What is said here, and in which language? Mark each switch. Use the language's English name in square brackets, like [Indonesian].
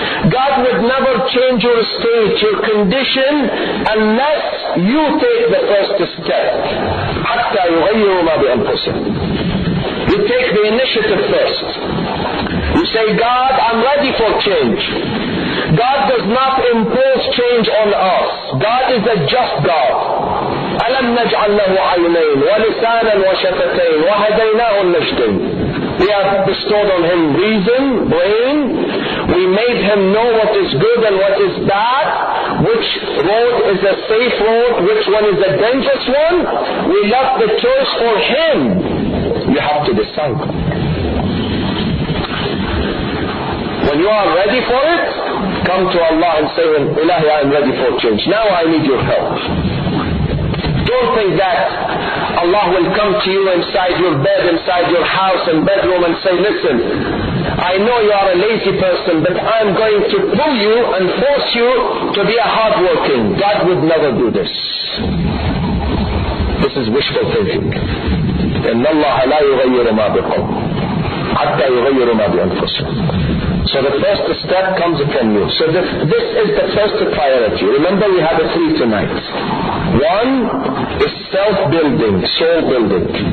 [English] God would never change your state, your condition, unless you take the first step. [Arabic] حَتَّى يُغَيِّرُ مَا بِأَنفُسِهِ. [English] You take the initiative first. You say, God, I'm ready for change. God does not impose change on us. God is a just God. [Arabic] أَلَمْ نَجْعَلْ لَهُ عَيْنَيْنِ وَلِسَانًا وَشَفَتَيْنِ وَهَدَيْنَاهُ النَّجْدَيْنِ. [English] We have bestowed on him reason, brain. We made him know what is good and what is bad. Which road is a safe road? Which one is a dangerous one? We left the choice for him. You have to decide. When you are ready for it, come to Allah and say, Ilahi, I am ready for change. Now I need your help. Don't think that Allah will come to you inside your bed, inside your house and bedroom and say, listen, I know you are a lazy person, but I'm going to pull you and force you to be a hard working. God would never do this. This is wishful thinking. [Arabic] إن الله لا يغير ما بقوم حتى يغير ما بأنفسهم. [English] So the first step comes upon you. So this is the first priority. Remember, we have a three tonight. One is self-building, soul-building.